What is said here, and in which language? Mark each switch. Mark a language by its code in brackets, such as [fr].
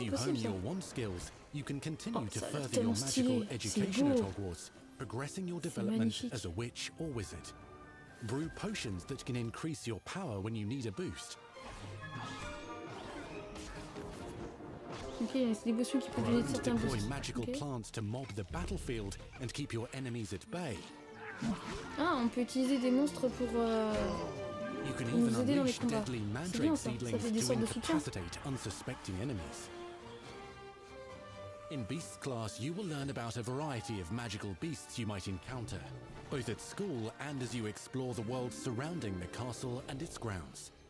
[en] As you hone your wand skills, you can continue oh, to further your magical education at Hogwarts, progressing your development as a witch or wizard. Brew potions that can increase your power when you need a boost. [fr] Okay, c'est des potions qui peuvent donner certains boosts. [en] Deploy magical okay. plants to mob the battlefield and keep your enemies at bay. [fr] Ah, on peut utiliser des monstres pour [en] You can even unleash deadly mandrake seedlings to incapacitate unsuspecting enemies. In Beast class, you will learn about a variety of magical beasts you might encounter, both at school and as you explore the world surrounding the castle and its grounds.